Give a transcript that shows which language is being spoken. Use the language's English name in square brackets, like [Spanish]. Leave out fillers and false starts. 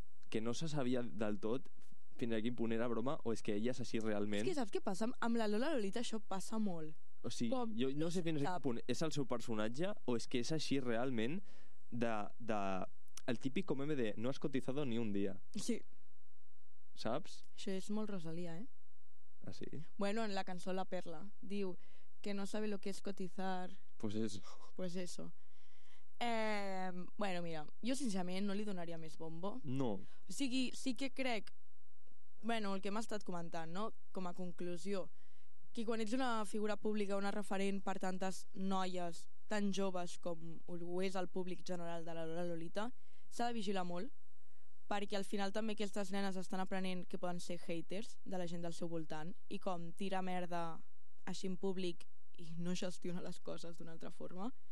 [Catalan] Que no se sabia del tot fins a quin punt era broma o és que ella és així realment. És que saps què passa? Amb la Lola Lolita això passa molt. O sigui, com? Jo no sé fins a quin punt és el seu personatge o és que és així realment de el típic com MD, [Spanish] no has cotizado ni un dia. [Catalan] Sí. Saps? Això és molt Rosalía, eh? Ah, sí? Bueno, en la cançó La Perla, diu que [Spanish] no sabe lo que es cotizar... Pues eso. Pues eso. [Catalan] Bueno, mira, jo sincerament no li donaria més bombo. No. O sigui, sí que crec, bueno, el que m'ha estat comentant, no? Com a conclusió, que quan ets una figura pública, una referent per tantes noies tan joves com ho és el públic general de la Lola Lolita, s'ha de vigilar molt, perquè al final també aquestes nenes estan aprenent que poden ser haters de la gent del seu voltant i com tira merda així en públic i no gestiona les coses d'una altra forma.